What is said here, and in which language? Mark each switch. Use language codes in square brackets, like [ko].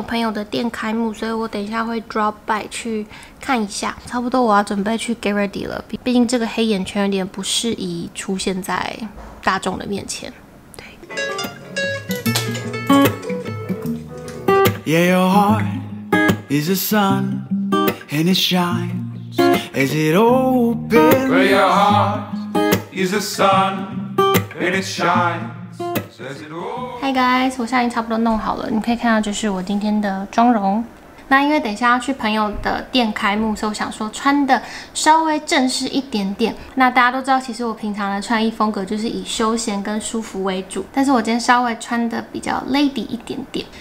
[zh] 通常没有意外的话，我星期六都会是一整天留在家里剪片。但是今天呢，我想让自己出去走一走，就是放松一下，呼吸一下新鲜的空气。今天天气蛮好的，像昨天热到30几度，然后今天大概最热就26、27吧，我觉得还可以接受。然后我今天有朋友的店开幕，所以我等一下会 [en] drop by [zh] 去看一下，差不多我要准备去 Gary D了，毕竟这个黑眼圈有点不适宜出现在 [en] Yeah, your heart is a sun and it shines as it opens. Well, your heart is a sun and it shines. As it opens. [zh] Hey guys, 我现在已经差不多弄好了，你可以看到就是我今天的妆容。那因为等一下要去朋友的店开幕，所以我想说穿的稍微正式一点点。那大家都知道，其实我平常的穿衣风格就是以休闲跟舒服为主，但是我今天稍微穿的比较 lady 一点点。